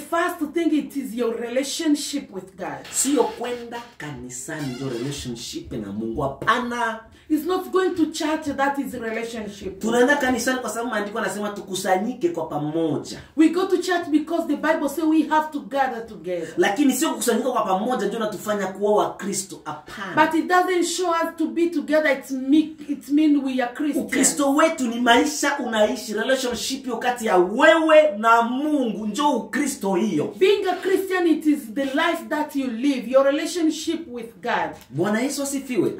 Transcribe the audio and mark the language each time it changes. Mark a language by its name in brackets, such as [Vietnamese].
[English] The first thing it is your relationship with God. [Swahili] Sio kwenda kanisani ndio relationship na Mungu. Hapana. [English] It's not going to church that is relationship. [Swahili] Tunaenda kanisani kwa sababu maandiko yanasema tukusanyike kwa pamoja. [English] We go to church because the Bible says we have to gather together. [Swahili] Lakini sio kukusanyika kwa pamoja ndio natufanya kuwa wa Kristo. Hapana. [English] But it doesn't show us to be together. It means we are Christians. [Swahili] Ukristo wetu ni maisha unaishi, relationship yu kati ya wewe na Mungu ndio Ukristo hiyo. [English] Being a Christian it is the life that you live, your relationship with God. [Swahili] Bwana Yesu asifiwe.